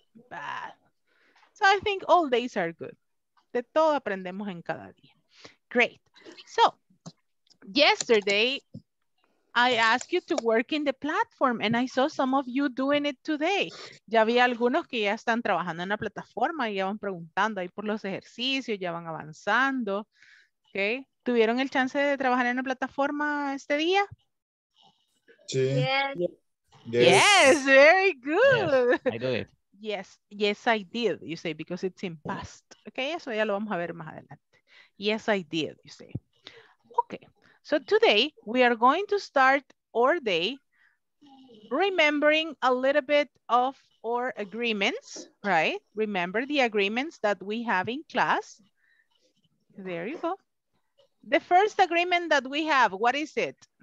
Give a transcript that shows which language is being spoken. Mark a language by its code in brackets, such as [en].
[en] Bad. So, I think all days are good. [es] De todo aprendemos en cada día. [en] Great. So, yesterday, I asked you to work in the platform, and I saw some of you doing it today. [es] Ya vi algunos que ya están trabajando en la plataforma y ya van preguntando ahí por los ejercicios, ya van avanzando. Okay. ¿Tuvieron el chance de trabajar en la plataforma este día? Sí. [en] Yes. Yes, very good. Yes, I did. Yes, yes, I did, you say, because it's in past. [es] Okay, eso ya lo vamos a ver más adelante. [en] Yes, I did, you say. Okay. So today we are going to start our day remembering a little bit of our agreements, right? Remember the agreements that we have in class. There you go. The first agreement that we have, what is it?